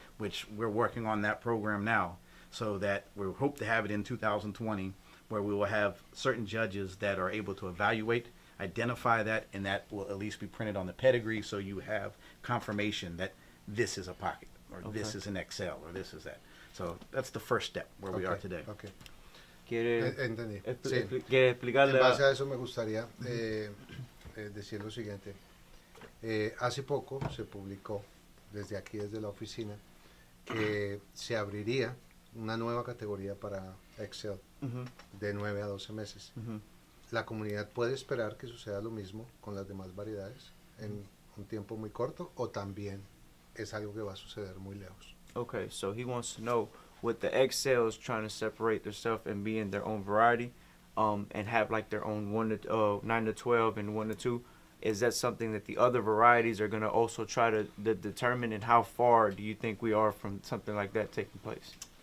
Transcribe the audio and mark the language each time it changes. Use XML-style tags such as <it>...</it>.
<en>Which we're working on that program now so that we hope to have it in 2020 where we will have certain judges that are able to evaluate, identify that, and that will at least be printed on the pedigree, so you have confirmation that this is a pocket, or okay, this is an XL, or this is that. So that's the first step where okay we are today. Okay.</en> <es>Entendí. Sí. En base a eso me gustaría decir lo siguiente. Hace poco se publicó desde aquí, desde la oficina, que se abriría una nueva categoría para Excel de 9 a 12 meses. La comunidad puede esperar que suceda lo mismo con las demás variedades en un tiempo muy corto, o también es algo que va a suceder muy lejos.</es> <en>Okay, so he wants to know, with the XLs trying to separate themselves and be in their own variety, and have like their own 9 to 12 and 1 to 2, is that something that the other varieties are going to also try to determine? And how far do you think we are from something like that taking place?</en>